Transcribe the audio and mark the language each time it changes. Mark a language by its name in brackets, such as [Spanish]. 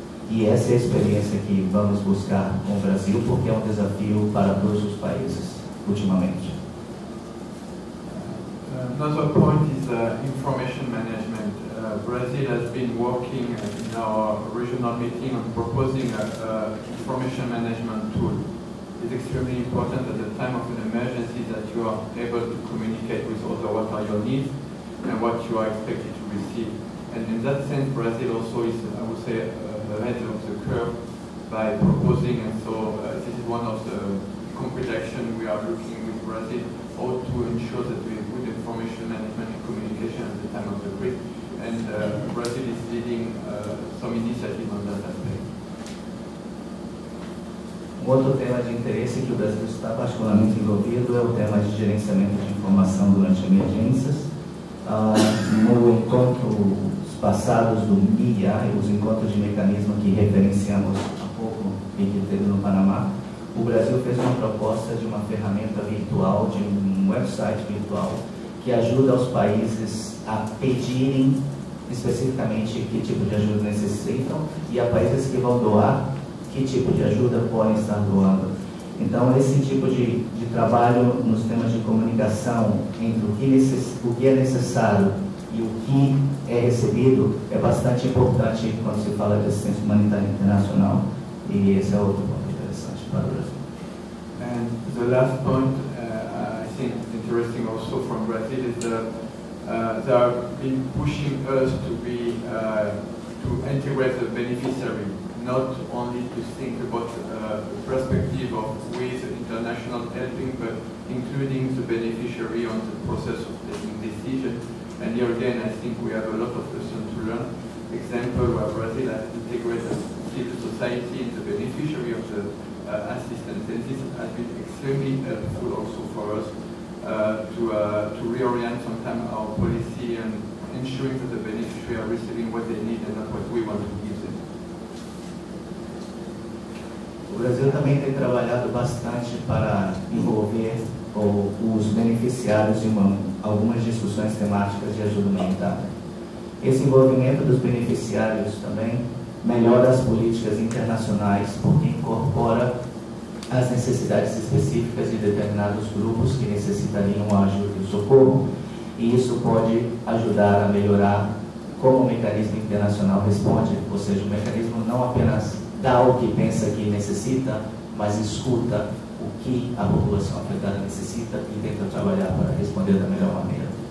[Portuguese] E essa é a experiência que vamos buscar com o Brasil, porque é um desafio para todos os países, ultimamente. [English] Another point is information management. Brazil has been working in our regional meeting on proposing an information management tool. It's extremely important at the time of an emergency that you are able to communicate with others what are your needs and what you are expected to receive. And in that sense, Brazil also is, I would say, the head of the curve by proposing, and so this is one of the concrete action we are looking with Brazil, how to ensure that we have good information management and communication at the time of the grid. And Brazil is leading some initiative on that aspect. [Portuguese] Um outro tema de interesse que o Brasil está particularmente envolvido é o tema de gerenciamento de informação durante emergências. No encontro passados do MIA, os encontros de mecanismo que referenciamos há pouco e que teve no Panamá, o Brasil fez uma proposta de uma ferramenta virtual, de um website virtual, que ajuda os países a pedirem especificamente que tipo de ajuda necessitam e a países que vão doar, que tipo de ajuda podem estar doando. Então, esse tipo de trabalho nos temas de comunicação entre o que é necessário e o que é recebido é bastante importante quando se fala de assistência humanitária internacional, e esse é outro ponto interessante para o Brasil. [English] And the last point, I think it's interesting also from Brazil, is that they have been pushing us to be to integrate the beneficiary, not only to think about the perspective of with international helping, but including the beneficiary on the process of taking decision. And here again, I think we have a lot of lessons to learn. Example where Brazil has integrated civil society and the beneficiary of the assistance. And this has been extremely helpful also for us to reorient sometimes our policy and ensuring that the beneficiary are receiving what they need and not what we want to give them. [Portuguese] O Brasil também tem trabalhado bastante para envolver os beneficiários em algumas discussões temáticas de ajuda humanitária. Esse envolvimento dos beneficiários também melhora as políticas internacionais, porque incorpora as necessidades específicas de determinados grupos que necessitariam ajuda e socorro, e isso pode ajudar a melhorar como o mecanismo internacional responde, ou seja, o mecanismo não apenas dá o que pensa que necessita, mas escuta o que a população afetada necessita e tenta trabalhar para responder da melhor maneira.